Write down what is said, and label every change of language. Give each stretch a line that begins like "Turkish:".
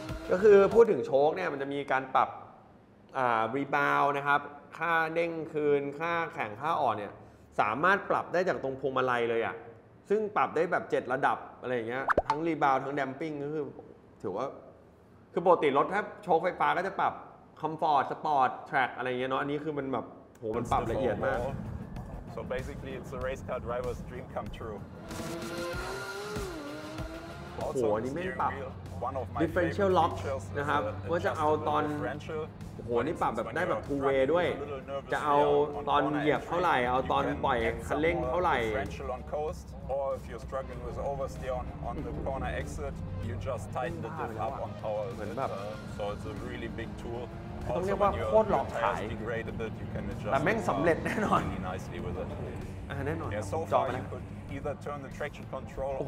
Thai: ก็คือพูดถึงโช๊คเนี่ยมันจะมีการปรับรีบาวด์นะครับค่าเด้งคืนค่าแข็งค่าอ่อนเนี่ยสามารถปรับได้จากตรงพวงมาลัยเลยอ่ะซึ่งปรับได้แบบ7ระดับอะไรอย่างเงี้ยทั้งรีบาวด์ทั้งแดมปิ้งก็คือถือว่าคือปกติรถถ้าโชคไฟฟ้าก็จะปรับคอมฟอร์ตสปอร์ตแทร็กอะไรเงี้ยเนาะอันนี้คือมันแบบโหมันปรับละเอียดมาก
English: So basically it's a race car driver's dream come true
Thai: โหนี่ไม่ปรับ differential lock นะครับว่าจะเอาตอนโหนี่ปรับแบบได้แบบ two way ด้วยจะเอาตอนเหยียบเท่าไหร่เอาตอนปล่อยคันเร่งเท่าไหร่
English: Or if you're struggling with oversteer on the corner exit, you just tighten the diff up on power. So it's a really big tool. Also, when your tires degrade a bit, you can adjust really nicely with it. Yeah, so far, you could either turn the traction control on